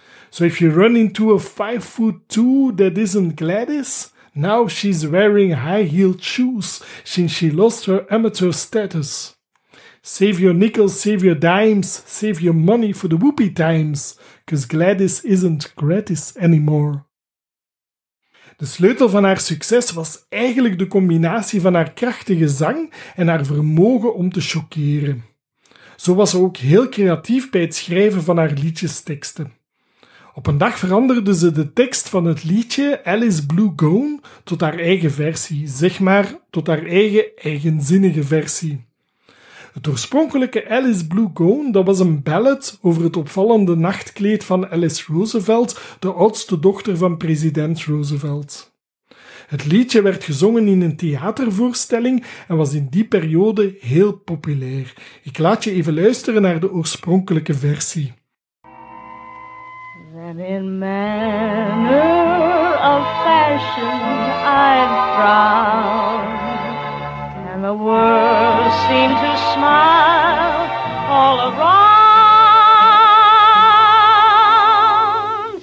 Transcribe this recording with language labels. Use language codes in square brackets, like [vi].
[en] So if you run into a 5'2" that isn't Gladys, now she's wearing high-heeled shoes since she lost her amateur status. Save your nickels, save your dimes, save your money for the whoopee times, because Gladys isn't Gladys anymore. [nl] De sleutel van haar succes was eigenlijk de combinatie van haar krachtige zang en haar vermogen om te choqueren. Zo was ze ook heel creatief bij het schrijven van haar liedjesteksten. Op een dag veranderde ze de tekst van het liedje Alice Blue Gone tot haar eigen versie, zeg maar tot haar eigen eigenzinnige versie. Het oorspronkelijke Alice Blue Gone, dat was een ballad over het opvallende nachtkleed van Alice Roosevelt, de oudste dochter van president Roosevelt. Het liedje werd gezongen in een theatervoorstelling en was in die periode heel populair. Ik laat je even luisteren naar de oorspronkelijke versie. [en] And in manner of fashion I'm proud, and the world seemed to smile all around.